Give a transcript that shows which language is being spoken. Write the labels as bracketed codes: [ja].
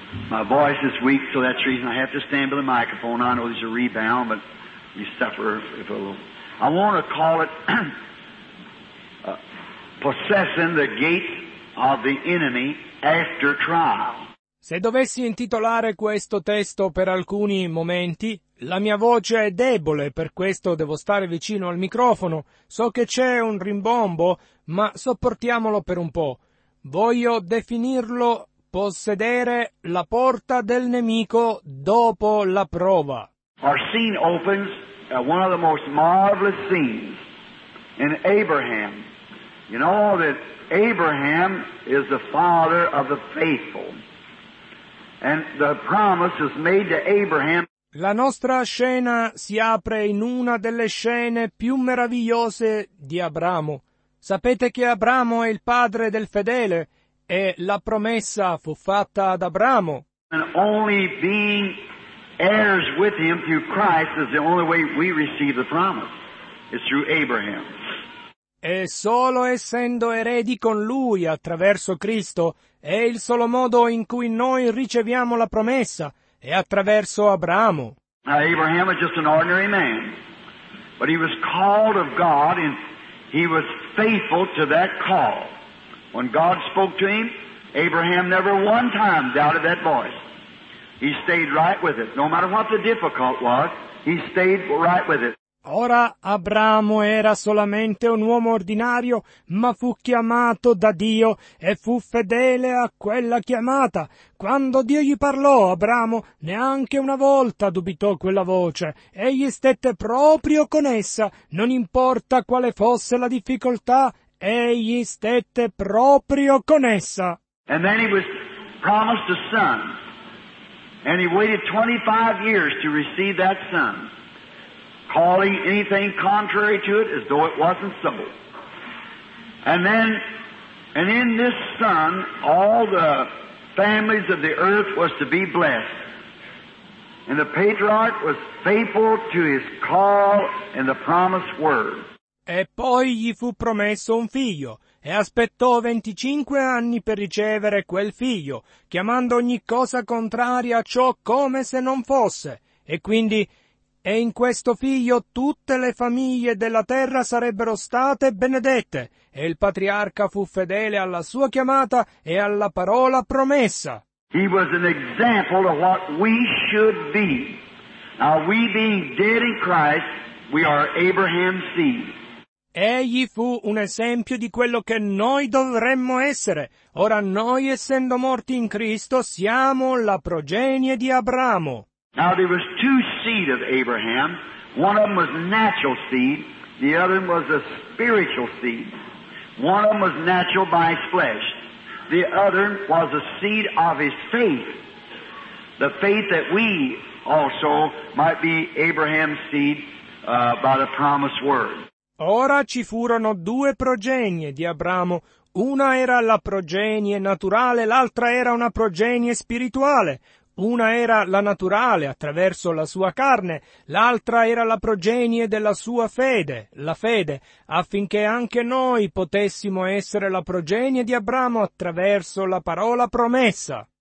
[en] My voice is weak, so that's the reason I have to stand by the microphone. I know there's a rebound, but you suffer if a little. I want to call it possessing the gates of the enemy after trial. [it] Se dovessi intitolare questo testo per alcuni momenti, la mia voce è debole, per questo devo stare vicino al microfono. So che c'è un rimbombo, ma sopportiamolo per un po'. Voglio definirlo possedere la porta del nemico dopo la prova. [en] Our scene opens at one of the most marvelous scenes in Abraham. You know that Abraham is the father of the faithful. And the promise is made to Abraham. [it] La nostra scena si apre in una delle scene più meravigliose di Abramo. Sapete che Abramo è il padre del fedele e la promessa fu fatta ad Abramo. [en] And only being heirs with him through Christ is the only way we receive the promise. It's through Abraham. [it] E solo essendo eredi con Lui attraverso Cristo è il solo modo in cui noi riceviamo la promessa, è attraverso Abramo. [en] Now Abraham was just an ordinary man, but he was called of God and he was faithful to that call. When God spoke to him, Abraham never one time doubted that voice. He stayed right with it. No matter what the difficult was, he stayed right with it. [it] Ora Abramo era solamente un uomo ordinario, ma fu chiamato da Dio e fu fedele a quella chiamata. Quando Dio gli parlò, Abramo neanche una volta dubitò quella voce. Egli stette proprio con essa, non importa quale fosse la difficoltà, egli stette proprio con essa. [en] And then he was promised a son, and he waited 25 years to receive that son. Calling anything contrary to it as though it wasn't so. And in this son, all the families of the earth was to be blessed. And the patriarch was faithful to his call and the promised word. [it] E poi gli fu promesso un figlio, e aspettò 25 anni per ricevere quel figlio, chiamando ogni cosa contraria a ciò come se non fosse. E quindi, e in questo figlio tutte le famiglie della terra sarebbero state benedette, e il patriarca fu fedele alla sua chiamata e alla parola promessa. [en] He was an example of what we should be. Now we being dead in Christ, we are Abraham's seed. [it] Egli fu un esempio di quello che noi dovremmo essere. Ora noi, essendo morti in Cristo, siamo la progenie di Abramo. [en] Now there was two seed of Abraham. One of them was natural seed. The other was a spiritual seed. One of them was natural by his flesh. The other was the seed of his faith. The faith that we also might be Abraham's seed by the promised word. [it] Ora ci furono due progenie di Abramo. Una era la progenie naturale, l'altra era una progenie spirituale. Una era la naturale, attraverso la sua carne, l'altra era la progenie della sua fede, la fede, affinché anche noi potessimo essere la progenie di Abramo attraverso la parola promessa.